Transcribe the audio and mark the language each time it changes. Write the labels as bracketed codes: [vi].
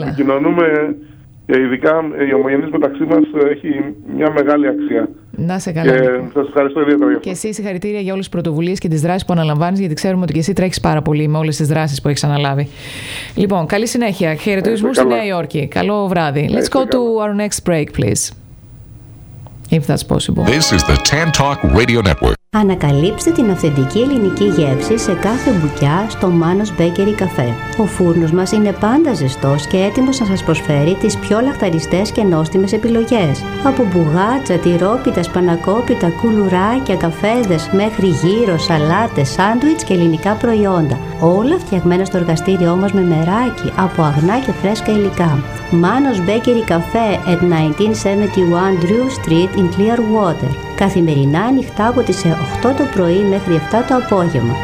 [el] επικοινωνούμε, ειδικά η ομογενής μεταξύ μας έχει μια μεγάλη αξία. Να σε καλά. Σας ευχαριστώ ιδιαίτερα. Και εσύ συγχαρητήρια για όλες τις πρωτοβουλίες και τις δράσεις που αναλαμβάνεις, γιατί ξέρουμε ότι και εσύ τρέχεις πάρα πολύ με όλες τις δράσεις που έχεις αναλάβει. Λοιπόν, καλή συνέχεια. Χαιρετισμούς στη Νέα Υόρκη. Καλό βράδυ. [en] Let's go to our next break, please. If that's possible. This is the Tantalk Radio Network. [el] Ανακαλύψτε την αυθεντική ελληνική γεύση σε κάθε μπουκιά στο Manos Bakery Cafe. Ο φούρνος μας είναι πάντα ζεστός και έτοιμος να σας προσφέρει τις πιο λαχταριστές και νόστιμες επιλογές. Από μπουγάτσα, τυρόπιτα, σπανακόπιτα, κουλουράκια, καφέδες, μέχρι γύρω, σαλάτες, σάντουιτς και ελληνικά προϊόντα. Όλα φτιαγμένα στο εργαστήριό μας με μεράκι, από αγνά και φρέσκα υλικά. [en] Manos Bakery Cafe at 1971 Drew Street in Clearwater. [el] Καθημερινά ανοιχτά από τις 8 το πρωί μέχρι 7 το απόγευμα.